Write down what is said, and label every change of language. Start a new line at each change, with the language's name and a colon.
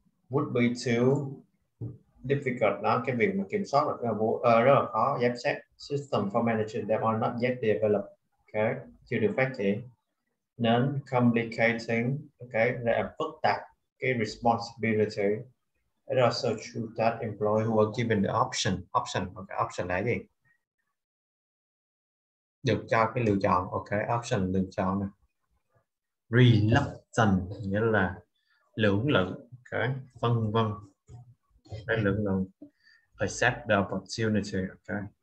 English: Would be too difficult
Vietnamese: đó, cái việc mà kiểm soát là cái vụ rất là khó.
English: Giám sát system for managing them are not yet developed, okay,
Vietnamese: chưa được phát triển. Nên complicating, okay, là phức tạp cái responsibility.
English: It also true that employee who are given the option
Vietnamese: là gì? Được cho cái lựa chọn, ok, option lựa chọn này. Reluctant nghĩa là lưỡng lự, ok, vân vân, cái lưỡng lự.
English: Accept the opportunity, ok.